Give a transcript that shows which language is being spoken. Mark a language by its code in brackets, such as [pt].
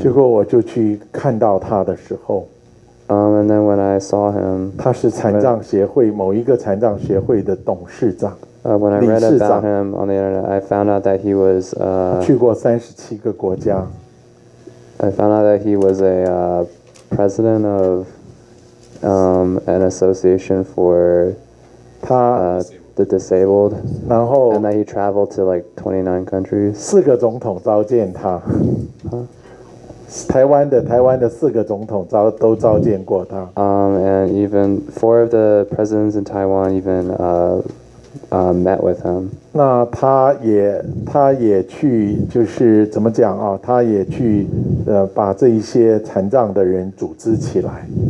[zh] 结果我就去看到他的时候。 [en] And then when I saw him, [zh] 他是残障协会某一个残障协会的董事长。 [en] When I read about him on the internet, I found out that he was [zh] 去过37个国家。 [en] I found out that he was a president of an association for the disabled. [zh] 然后 [en] and that he traveled to like 29 countries. [zh] 四个总统召见他。台湾的四个总统都召见过他。 [en] And even four of the presidents in Taiwan even met with him. [zh] 那他也去就是怎么讲啊，他也去把这一些残障的人组织起来。